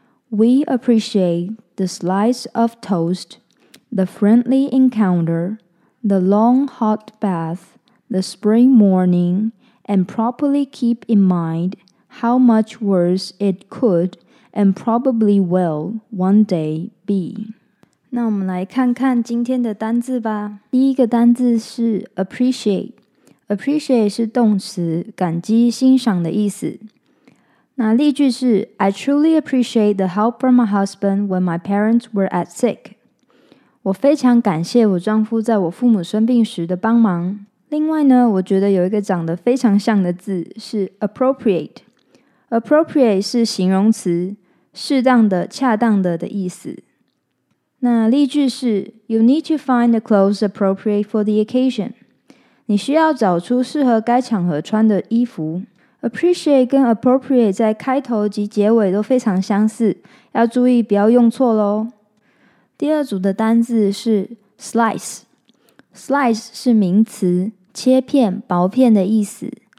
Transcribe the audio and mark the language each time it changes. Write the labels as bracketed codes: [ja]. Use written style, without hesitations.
[en] We appreciate the slice of toast, the friendly encounter, the long hot bath, the spring morning, and properly keep in mind how much worse it could and probably will one day be. [zh] 那我们来看看今天的单字吧。第一个单字是 appreciate。Appreciate 是动词，感激欣赏的意思。那例句是 [en] I truly appreciate the help from my husband when my parents were at sick. [zh] 我非常感谢我丈夫在我父母生病时的帮忙。另外呢，我觉得有一个长得非常像的字是 appropriate。 Appropriate 是形容词，适当的、恰当的的意思。那例句是 [en] You need to find the clothes appropriate for the occasion. [zh] 你需要找出适合该场合穿的衣服。 Appreciate 跟 appropriate 在开头及结尾都非常相似，要注意不要用错咯。第二组的单字是 slice。Slice 是名词，切片、薄片的意思。